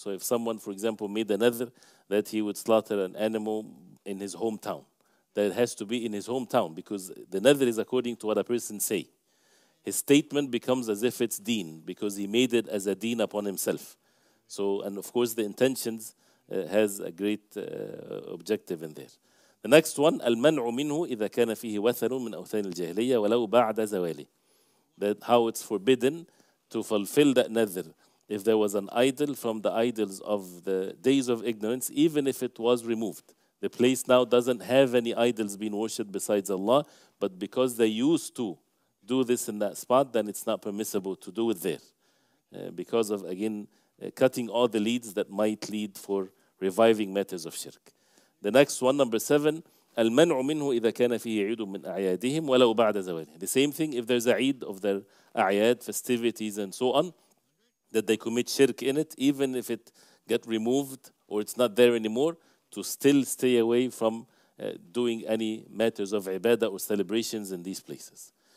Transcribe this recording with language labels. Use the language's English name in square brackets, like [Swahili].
[English] So if someone, for example, made a nadhr that he would slaughter an animal in his hometown, that it has to be in his hometown because the nadhr is according to what a person say. His statement becomes as if it's deen because he made it as a deen upon himself. So, and of course, the intentions has a great objective in there. The next one, [Arabic] المنعُ منه إذا كان فيه وثر من أوثان الجاهلية ولو بعد زوالي. [English] That how it's forbidden to fulfill that nadhr if there was an idol from the idols of the days of ignorance, even if it was removed. The place now doesn't have any idols being worshipped besides Allah, but because they used to do this in that spot, then it's not permissible to do it there. Because of, again, cutting all the leads that might lead for reviving matters of shirk. The next one, number 7, [Arabic] المنعُ منه إذا كان فيه عيدٌ من أعيادهم ولو بعد زوالهم. [English] The same thing, if there's a عيد of their أعياد, festivities and so on, that they commit shirk in it, even if it get removed or it's not there anymore, to still stay away from doing any matters of ibadah or celebrations in these places.